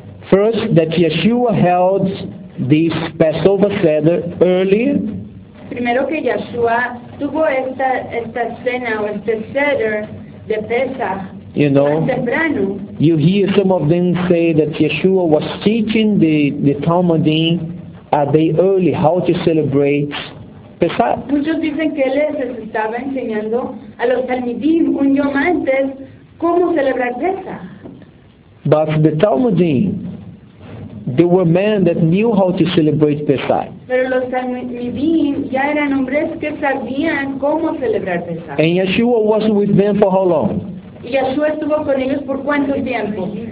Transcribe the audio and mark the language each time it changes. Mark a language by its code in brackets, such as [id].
[en] First, that Yeshua held this Passover Seder earlier. [es] Primero que Yeshua tuvo esta cena o este Seder de Pesach. [en] You know, [es] temprano, [en] you hear some of them say that Yeshua was teaching the Talmudim a day early how to celebrate Pesach. [es] Muchos dicen que él les estaba enseñando a los Talmidim un yom antes cómo celebrar Pesach. [en] But the Talmudim, they were men that knew how to celebrate Pesach. [es] Pero los Talmidim ya eran hombres que sabían cómo celebrar Pesach. [en] And Yeshua was with them for how long? [es] Y Yeshua estuvo con ellos por cuánto tiempo?